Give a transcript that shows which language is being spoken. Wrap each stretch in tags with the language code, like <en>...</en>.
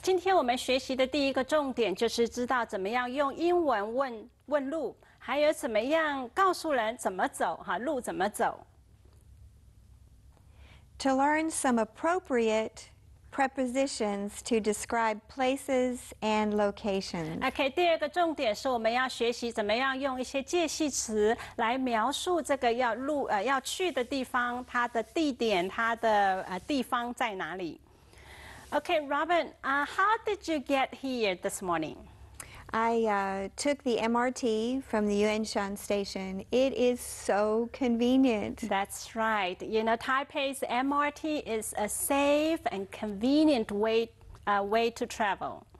<zh>今天我们学习的第一个重点就是知道怎么样用英文问路，还有怎么样告诉人怎么走，哈，路怎么走。</zh> <en>To learn some appropriate prepositions to describe places and locations.</en> <zh>Okay, 第二个重点是我们要学习怎么样用一些介系词来描述这个要去的地方，它的地点，它的地方在哪里。</zh> <en>Okay, Robin, how did you get here this morning? I took the MRT from the Yuanshan station. It is so convenient. That's right. You know, Taipei's MRT is a safe and convenient way to travel.</en>